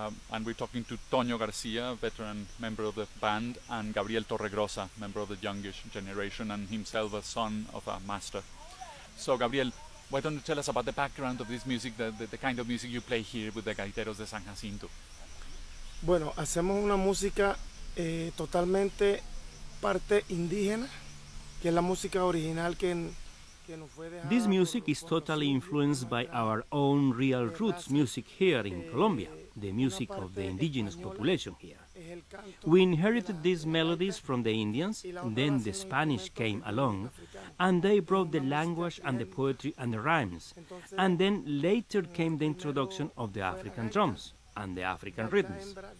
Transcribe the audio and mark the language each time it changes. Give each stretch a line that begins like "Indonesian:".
English: And we're talking to Toño García, veteran member of the band, and Gabriel Torregrosa, member of the youngish generation and himself a son of a master. So Gabriel, why don't you tell us about the background of this music, the kind of music you play here with the Gaiteros de San Jacinto?
Spanish: Bueno, hacemos una música totalmente parte indígena, que es la música original que nos fue dejada.
English: This music is totally influenced by our own real roots music here in Colombia, the music of the indigenous population here. We inherited these melodies from the Indians, then the Spanish came along, and they brought the language and the poetry and the rhymes, and then later came the introduction of the African drums and the African rhythms.